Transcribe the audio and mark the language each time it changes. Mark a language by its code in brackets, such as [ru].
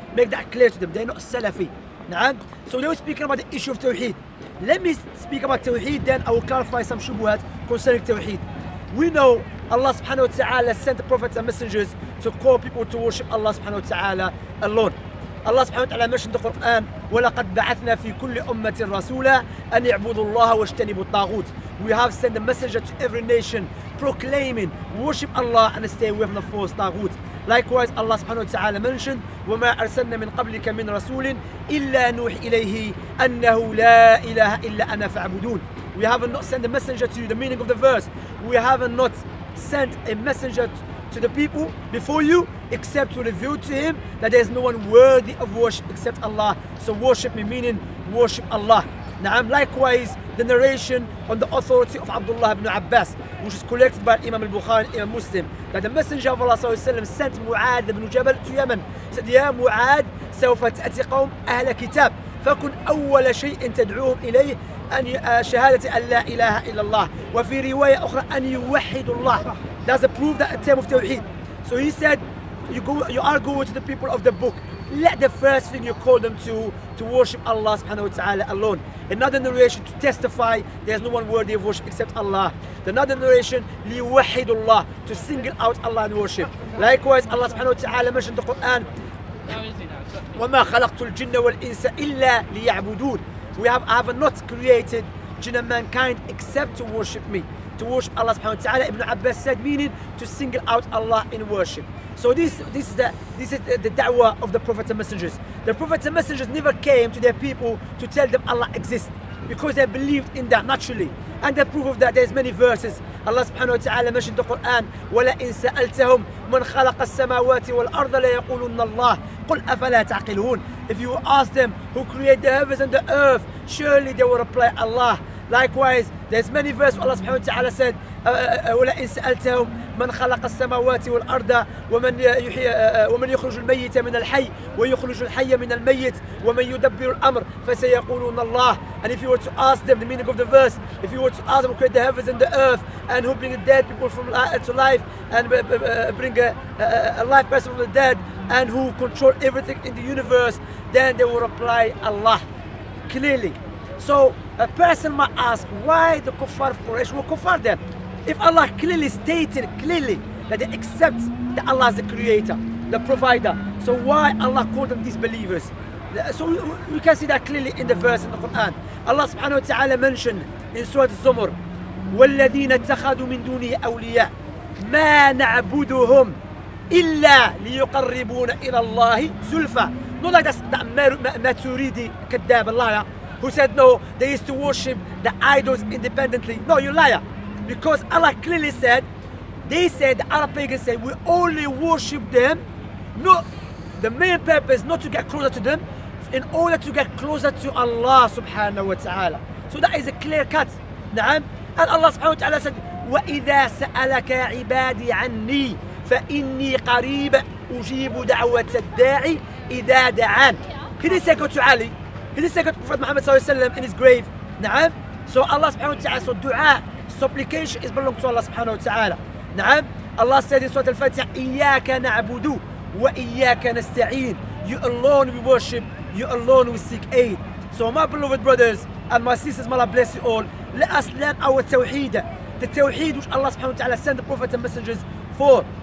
[en] Make that clear to them, they're not Salafi. So they were speaking about the issue of Tawheed. Let me speak about Tawheed, then I will clarify some shubuhat concerning Tawheed. We know Allah subhanahu wa ta'ala sent the prophets and messengers to call people to worship Allah subhanahu wa ta'ala alone. Allah subhanahu wa ta'ala mentioned the Quran, [ar] وَلَقَدْ بَعَثْنَا فِي كُلِّ أُمَّةٍ رَسُولًا أَنْ يَعْبُدُ اللَّهَ وَاجْتَنِبُوا الطَّاغُوتِ. [en] We have sent a messenger to every nation proclaiming, worship Allah and stay away from the false taghut. Likewise, Allah subhanahu wa ta'ala mentioned, [ar] وَمَا أَرْسَلْنَا مِنْ قَبْلِكَ مِنْ رَسُولٍ إِلَّا نُوحِ إِلَيْهِ أَنَّهُ لَا إِلَهَ إِلَّا أَنَا فَعْبُدُونَ. [en] We have not sent a messenger to you, the meaning of the verse. We have not sent a messenger to the people before you, except to reveal to him that there is no one worthy of worship except Allah. So worship me, meaning worship Allah. Na'am, likewise, the narration on the authority of Abdullah ibn Abbas, which is collected by Imam al-Bukhari and Imam Muslim, that the Messenger of Allah sallallahu alayhi wa sallam sent Mu'ad ibn Jabal to Yemen. He said, Ya Mu'ad, [ar] سوف تأتي قوم أهل كتاب فكن أول شيء تدعوهم إليه أن شهادة أن لا إله إلا الله وفي رواية أخرى أن يوحد الله. [en] That's a proof that a term of Tawheed. So he said, you are going to the people of the book. Let the first thing you call them to worship Allah subhanahu wa ta'ala alone. Another narration to testify, there's no one worthy of worship except Allah. Another narration, [ar] لِيُوَحِّدُ اللَّهِ, [en] to single out Allah in worship. Likewise, Allah subhanahu wa ta'ala mentioned the Quran, [ar] وَمَا خَلَقْتُ الْجِنَّ وَالْإِنسَ إِلَّا لِيَعْبُدُونَ. [en] I have not created jinn and mankind except to worship me. To worship Allah subhanahu wa ta'ala, Ibn Abbas said, meaning to single out Allah in worship. So this is the da'wah of the Prophet and Messengers. The Prophet and Messengers never came to their people to tell them Allah exists, because they believed in that naturally. And the proof of that, there's many verses. Allah subhanahu wa ta'ala mentioned the Quran, [ar] وَلَئِنْ سَأَلْتَهُمْ مَنْ خَلَقَ السَّمَاوَاتِ وَالْأَرْضَ لَيَقُولُنَّ اللَّهِ قُلْ أَفَلَا تَعْقِلُونَ. [en] If you ask them who created the heavens and the earth, surely they will reply Allah. Likewise, there's many verses where Allah subhanahu wa ta'ala said, [ar] وَلَئِنْ سَأَلْتَهُمْ مَنْ خَلَقَ السَّمَاوَاتِ وَالْأَرْضَ وَمَنْ يُخْرُجُ الْمَيِّتَ مِنَ الْحَيِّ وَيُخْرُجُ الْحَيَّ مِنَ الْمَيِّتِ وَمَنْ يُدَبِّرُ الْأَمْرِ فَسَيَقُولُونَ اللَّهُ. [en] And if you were to ask them, the meaning of the verse, if you were to ask them who created the heavens and the earth, and who bring the dead people from to life, and bring a life person from the dead, and who control everything in the universe, then they will reply Allah, clearly. So a person might ask, why the kuffar of Quraysh will kuffar them? If Allah clearly stated clearly that they accept that Allah is the creator, the provider, so why Allah called them disbelievers? So we can see that clearly in the verse in the Quran. Allah subhanahu wa ta'ala mentioned in Surah Az-Zumar, [ar] وَالَّذِينَ اتَّخَذُوا مِن دُونِهِ أَوْلِيَاءَ مَا نَعْبُدُهُمْ إِلَّا لِيُقَرِّبُونَ إِلَى اللَّهِ زُلْفَى. [en] Not like that Maturidi Kadab, a liar, who said no, they used to worship the idols independently. No, you liar. Because Allah clearly said, they said, the Arab pagans said, we only worship them, not the main purpose, not to get closer to them, in order to get closer to Allah subhanahu wa ta'ala. So that is a clear cut. Na'am. And Allah subhanahu wa ta'ala said, [ar] وَإِذَا سَأَلَكَ عِبَادِي عَنِّي فَإِنِّي قَرِيبَ أُجِيبُ دَعْوَةَ الدَّاعِ إِذَا دَعَانِ. [en] He didn't say go to Ali. He didn't say go to Prophet Muhammad sallallahu alayhi wa sallam in his grave. Na'am. So Allah subhanahu wa ta'ala, so dua, supplication is belong to Allah subhanahu wa ta'ala. Na'am. Allah said in Surah Al-Fatiha, [ar] إِيَّاكَ نَعْبُدُ وَإِيَّاكَ نَسْتَعِينَ. [en] You alone we worship, you alone we seek aid. So my beloved brothers and my sisters, may Allah bless you all, let us learn our tawheed, the tawheed which Allah subhanahu wa ta'ala sent the Prophet and messengers for.